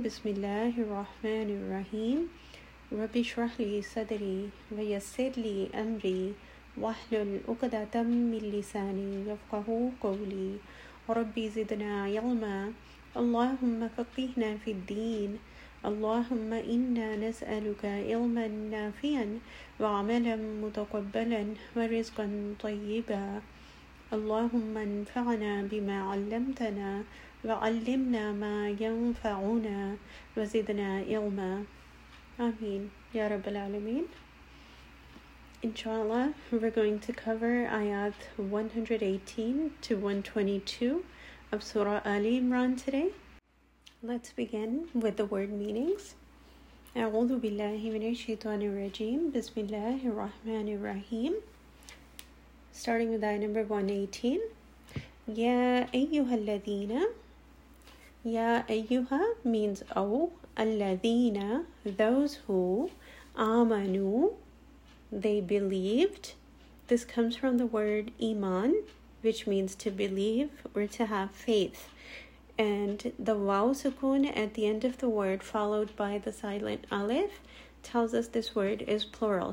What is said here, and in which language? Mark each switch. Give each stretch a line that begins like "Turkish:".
Arabic: بسم الله الرحمن الرحيم. رب اشرح لي صدري ويسر لي أمري واحلل عقدة من لساني يفقهوا قولي ربي زدنا علما اللهم فقهنا في الدين اللهم إنا نسألك علما نافعا وعملا متقبلا ورزقا طيبا. اللهم انفعنا بما علمتنا وعلمنا ما ينفعنا وزدنا علما. آمين يا رب العالمين.
English: Inshallah, we're going to cover ayat 118 to 122 of Surah Ali Imran today. Let's begin with the word meanings.
Arabic: أعوذ بالله من الشيطان الرجيم. بسم الله الرحمن الرحيم.
English: Starting with ayah number 118.
Arabic: يا أيها الذين. يا أيها
English: means أو. الذين, those who, آمنوا, they believed. This comes from the word إيمان, which means to believe or to have faith. And the waw sukun at the end of the word followed by the silent alif tells us this word is plural.